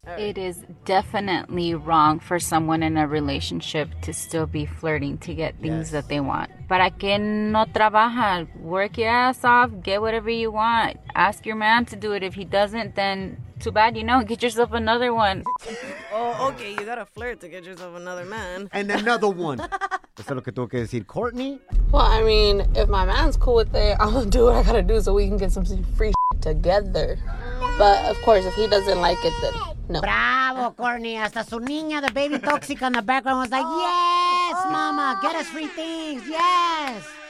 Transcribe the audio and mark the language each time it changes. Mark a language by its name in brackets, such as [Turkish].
[English] It is definitely wrong for someone in a relationship to still be flirting to get things that they want. [Spanish] Para que no trabaja, [English] work your ass off, get whatever you want. Ask your man to do it. If he doesn't, then too bad, you know, get yourself another one. Oh, okay, you gotta flirt to get yourself another man. And another one. [Spanish] Eso es lo que tengo que decir, Courtney. [English] Well, I mean, if my man's cool with it, I'm gonna do what I gotta do so we can get some free shit together. But of course, if he doesn't like it, then no. [Spanish] Bravo, Courtney. Hasta su niña, [English] the baby toxic on the background, was like, yes, mama, get us free things. Yes.